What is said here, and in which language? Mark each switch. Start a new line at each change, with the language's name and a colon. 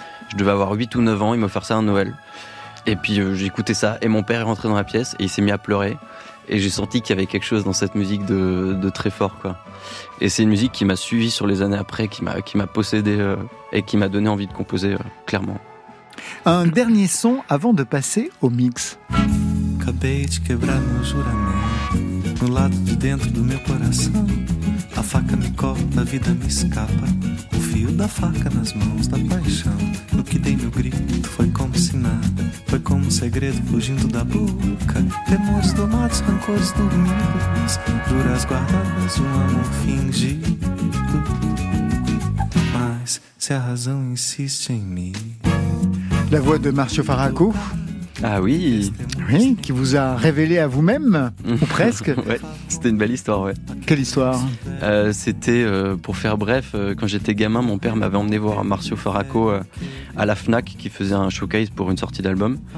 French: Je devais avoir 8 ou 9 ans, il m'a offert ça à Noël. Et puis j'écoutais ça, et mon père est rentré dans la pièce, et il s'est mis à pleurer. Et j'ai senti qu'il y avait quelque chose dans cette musique de très fort, quoi. Et c'est une musique qui m'a suivi sur les années après, qui m'a possédé et qui m'a donné envie de composer, clairement. Un dernier son avant de passer au mix.
Portuguese: Acabei de quebrar meu juramento no lado de dentro do meu coração. A faca me corta, a vida me escapa. O fio da faca nas mãos da paixão. No que dei meu grito foi como se nada. Foi como um segredo fugindo da boca. Temores domados, rancores dormidos. Juras guardadas, um amor fingido. Mas se a razão insiste em mim.
French: La voix de Márcio Farraco. Ah oui. Oui, qui vous a révélé à vous-même, ou presque. Ouais, c'était une belle histoire, ouais. Quelle histoire? C'était, pour faire bref, quand j'étais gamin, mon père m'avait emmené voir Márcio Farraco à la Fnac, qui faisait un showcase pour une sortie d'album.